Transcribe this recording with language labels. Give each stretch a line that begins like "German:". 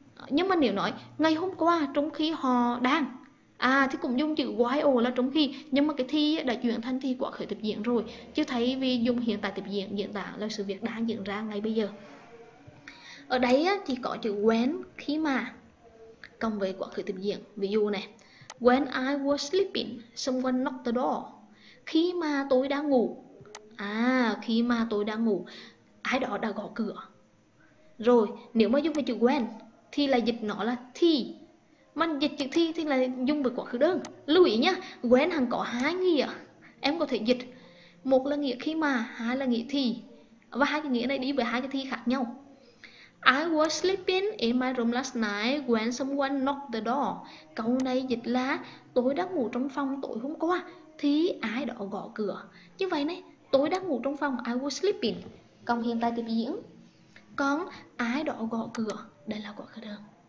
Vietnamese: Nhưng mà nếu nói ngày hôm qua trong khi họ đang, thì cũng dùng chữ while là trong khi, nhưng mà cái thì đã chuyển thành thì quá khứ tiếp diễn rồi, chứ thay vì dùng hiện tại tiếp diễn diễn tả là sự việc đang diễn ra ngay bây giờ. Ở đây á, thì có chữ when khi mà cộng với quá khứ tiếp diễn. Ví dụ này,
English: when I was sleeping, someone knocked the door.
Vietnamese: Khi mà tôi đang ngủ, khi mà tôi đang ngủ, ai đó đã gõ cửa. Rồi nếu mà dùng cái chữ when thì là dịch nó là thì. Mình dịch chữ thi thì là dùng với quá khứ đơn. Lưu ý nhá, when hằng có hai nghĩa. Em có thể dịch một là nghĩa khi mà, hai là nghĩa thì. Và hai cái nghĩa này đi với hai cái thi khác nhau.
English: I was sleeping in my room last night when someone knocked the door.
Vietnamese: Câu này dịch là tôi đang ngủ trong phòng tối hôm qua thì ai đó gõ cửa. Như vậy này, tôi đang ngủ trong phòng,
English: I was sleeping.
Vietnamese: Còn hiện tại tiếp diễn, còn ai đó gõ cửa, đây là quá khứ đơn.